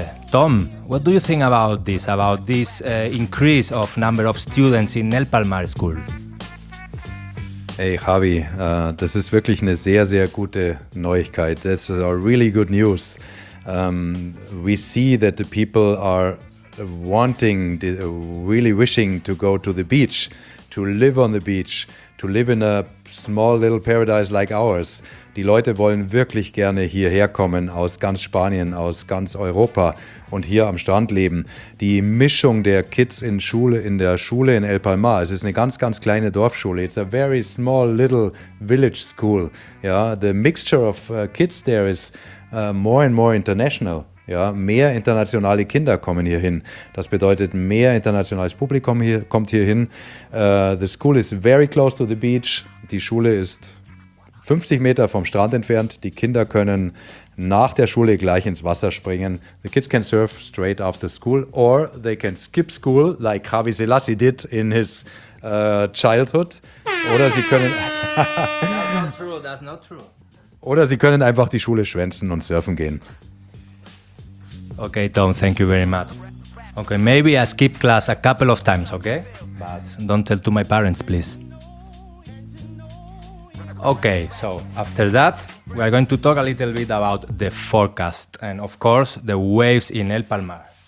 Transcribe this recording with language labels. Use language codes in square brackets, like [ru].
[en] Tom, what do you think about this increase of number of students in El Palmar School? [de] Hey Javi, das ist wirklich eine sehr, sehr gute Neuigkeit. [en] This is a really good news. We see that the people are really wishing to go to the beach, to live on the beach, to live in a small little paradise like ours. [de] Die Leute wollen wirklich gerne hierher kommen aus ganz Spanien, aus ganz Europa und hier am Strand leben. Die Mischung der Kids in der Schule in El Palmar, es ist eine ganz, ganz kleine Dorfschule. [en] It's a very small little village school. Yeah, the mixture of kids there is more and more international. [de] Ja, mehr internationale Kinder kommen hier hin. Das bedeutet, mehr internationales Publikum hier, kommt hier hin. [en] The school is very close to the beach. [de] Die Schule ist 50 Meter vom Strand entfernt. Die Kinder können nach der Schule gleich ins Wasser springen. [en] The kids can surf straight after school or they can skip school like Javi Selassie did in his childhood. [de] Oder sie können... [en] That's not true. [de] Oder sie können einfach die Schule schwänzen und surfen gehen. [en] Okay, Tom, thank you very much. Okay, maybe I skip class a couple of times, okay? But don't tell to my parents, please. Okay, so after that, we are going to talk a little bit about the forecast and, of course, the waves in El Palmar.